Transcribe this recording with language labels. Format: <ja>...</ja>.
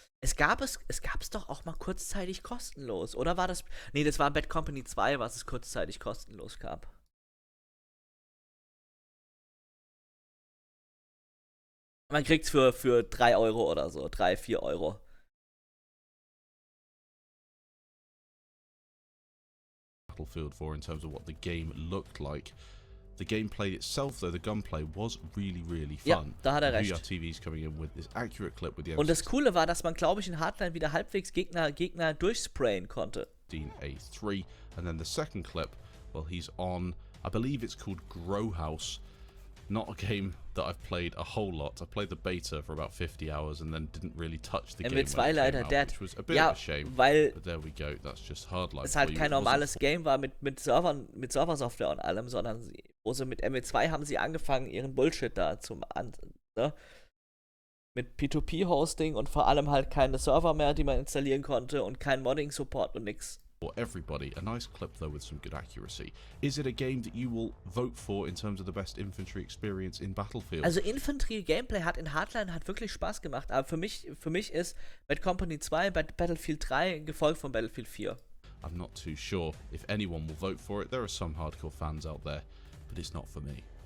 <de>Es gab es doch auch mal kurzzeitig kostenlos, oder war das... Nee, das war Bad Company 2, was es kurzzeitig kostenlos gab. Man kriegt es für 3 Euro oder so, 3, 4 Euro. Ja.</de> <en>Battlefield 4 in terms of what the game looked like. The gameplay itself, though, the gunplay, was really, really fun.</en> <de>Ja, da hat er recht.</de> <en>VR-TVs coming in with this accurate clip with the</en> <de>M6. Und das Coole war, dass man, glaube ich, in Hardline wieder halbwegs Gegner durchsprayen konnte.</de> <en>A3. And then the second clip, well, he's on, I believe it's called Grow House. Not a game that I've played a whole lot. I played the beta for about 50 hours and then didn't really touch the game when it came</en> <de>leider</de> <en>out, dead. Which was a bit of a shame.</en> <de>Weil,</de> <en>but there we go, that's just Hardline.</en> <de>Es halt kein normales Game war mit Server-Software und allem, sondern also mit ME2 haben sie angefangen, ihren Bullshit da zu machen. Ne? Mit P2P-Hosting und vor allem halt keine Server mehr, die man installieren konnte und kein Modding-Support und nix.</de> <en>For everybody, a nice clip though with some good accuracy. Is it a game that you will vote for in terms of the best infantry experience in Battlefield?</en> <de>Also infantry gameplay hat in Hardline hat wirklich Spaß gemacht, aber für mich ist Bad Company 2 bei Battlefield 3 gefolgt von Battlefield 4.</de> <en>I'm not too sure if anyone will vote for it. There are some hardcore fans out there, but it's not for me.</en>